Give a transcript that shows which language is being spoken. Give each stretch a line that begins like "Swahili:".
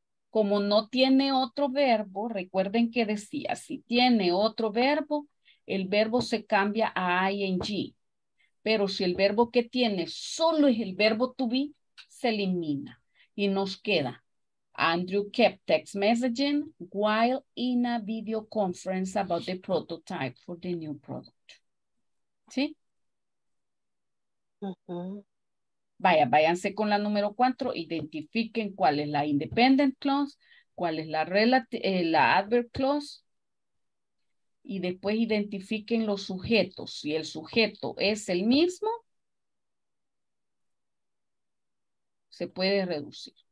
Spanish: Como no tiene otro verbo, recuerden que decía, si tiene otro verbo, el verbo se cambia a ing. Pero si el verbo que tiene solo es el verbo to be, se elimina. Y nos queda,
English: Andrew kept text messaging while in a video conference about the prototype for the new product.
Spanish: ¿Sí? Uh-huh. Vaya, váyanse con la número 4, identifiquen cuál es la independent clause, cuál es la adverb clause, y después identifiquen los sujetos. Si el sujeto es el mismo, se puede reducir.